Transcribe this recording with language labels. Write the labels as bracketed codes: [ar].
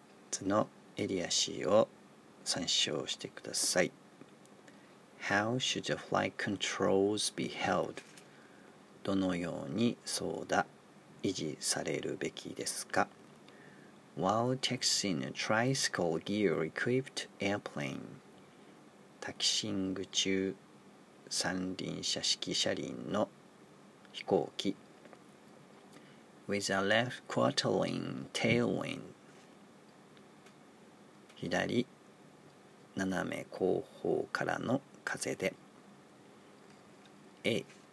[ja] 図のエリア C を参照してください。 [en] How should the flight controls be held? [ja] どのように操舵維持されるべきですか? [en] While taxiing a tricycle gear equipped airplane, [ja] タキシング中三輪車式車輪の飛行機 [en] With a left quartering tailwind, [ja] 左斜め後方からの風で [en] A.